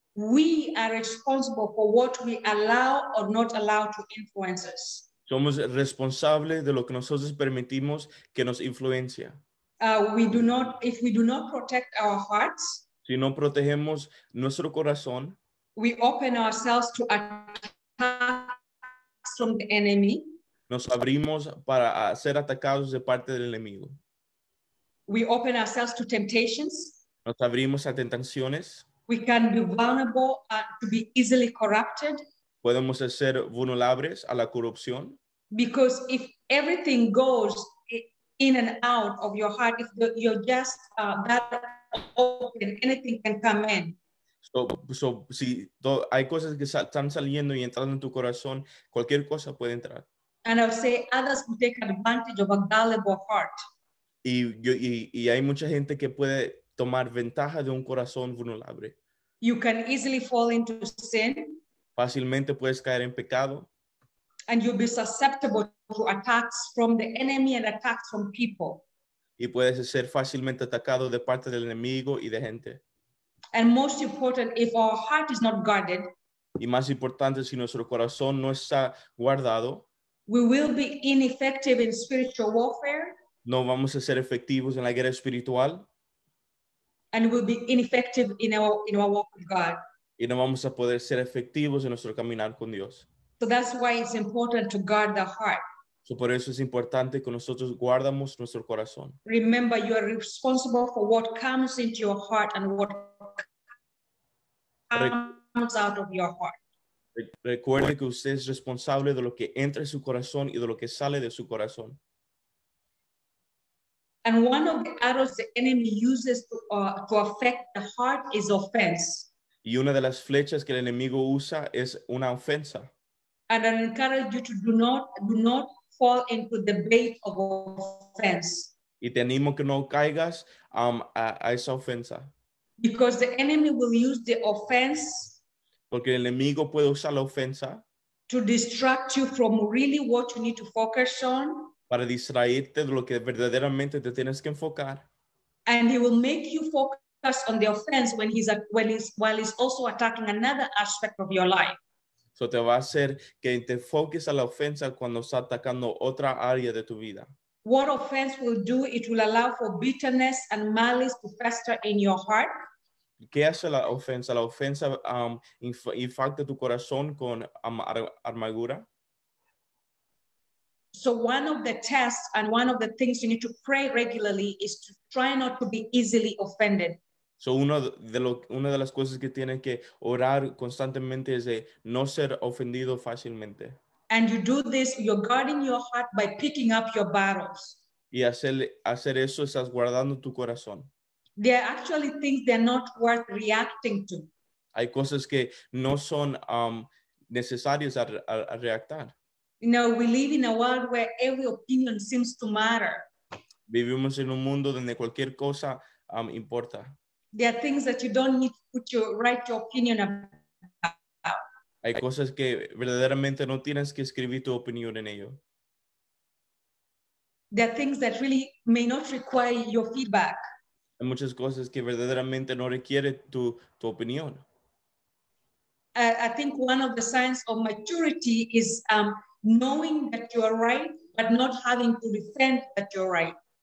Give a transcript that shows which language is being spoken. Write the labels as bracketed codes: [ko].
[en] we are responsible for what we allow or not allow to influence us. [es] Somos responsables de lo que nosotros permitimos que nos influencia. [en] If we do not protect our hearts, [es] si no protegemos nuestro corazón, [en] we open ourselves to attacks from the enemy. [es] Nos abrimos para ser atacados de parte del enemigo. [en] We open ourselves to temptations. [es] Nos abrimos a tentaciones. [en] We can be vulnerable to be easily corrupted. [es] Podemos ser vulnerables a la corrupción. [en] Because if everything goes in and out of your heart, if you're just that open, anything can come in. [es] So si hay cosas que están saliendo y entrando en tu corazón, cualquier cosa puede entrar. [en] And I'll say others who take advantage of a gullible heart. [es] Y hay mucha gente que puede tomar ventaja de un corazón vulnerable. [en] You can easily fall into sin. [es] Fácilmente puedes caer en pecado. [en] And you'll be susceptible to attacks from the enemy and attacks from people. [es] Y puedes ser fácilmente atacado de parte del enemigo y de gente. [en] And most important, if our heart is not guarded, [es] y más importante, si nuestro corazón no está guardado, [en] we will be ineffective in spiritual warfare. [es] No vamos a ser efectivos en la guerra espiritual. [en] And we'll be ineffective in our walk with God. [es] Y no vamos a poder ser efectivos en nuestro caminar con Dios. [en] So that's why it's important to guard the heart. [es] So por eso es importante que nosotros guardamos nuestro corazón. [en] Remember, you are responsible for what comes into your heart and what comes out of your heart. [es] Recuerde que usted es responsable de lo que entra en su corazón y de lo que sale de su corazón. [en] And one of the arrows the enemy uses to affect the heart is offense. [es] Y una de las flechas que el enemigo usa es una ofensa. [en] And I encourage you to do not fall into the bait of offense. [es] Y te animo que no caigas a esa ofensa. [en] Because the enemy will use the offense. [es] Porque el enemigo puede usar la ofensa. [en] To distract you from really what you need to focus on. [es] Para distraerte de lo que verdaderamente te tienes que enfocar. [en] And he will make you focus on the offense while he's also attacking another aspect of your life. [es] So te va a hacer que te enfoques a la ofensa cuando está atacando otra área de tu vida. [en] What offense will do? It will allow for bitterness and malice to fester in your heart. [es] ¿Qué hace la ofensa? La ofensa infecta tu corazón con amargura. [en] So one of the tests and one of the things you need to pray regularly is to try not to be easily offended. [es] So una de las cosas que tienes que orar constantemente es de no ser ofendido fácilmente. [en] And you do this, you're guarding your heart by picking up your battles. [es] Y hacer eso, estás guardando tu corazón. [en] There are actually things they're not worth reacting to. [es] Hay cosas que no son necesarias a reactar. [en] You know, we live in a world where every opinion seems to matter. [es] Vivimos en un mundo donde cualquier cosa importa. [en] There are things that you don't need to put write your opinion about. [es] Hay cosas que verdaderamente no tienes que escribir tu opinión en ello. [en] There are things that really may not require your feedback. [es] Hay muchas cosas que verdaderamente no requiere tu opinión. [en] I think one of the signs of maturity is knowing that you are right, but not having to defend that you're right.